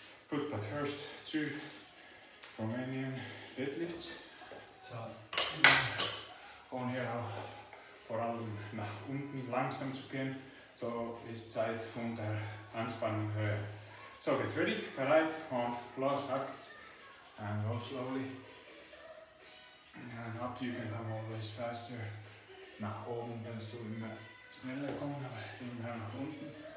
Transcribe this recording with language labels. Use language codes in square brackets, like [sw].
[en] Good, but first 2 Romanian deadlifts. [de] So, und hier auch vor allem nach unten langsam zu gehen, so ist Zeit von der Anspannung höher. So, [en] get ready, [de] bereit und los, ab geht's. [en] And go slowly, and up you can come always faster. [de] Nach oben kannst du immer schneller kommen, aber immer nach unten.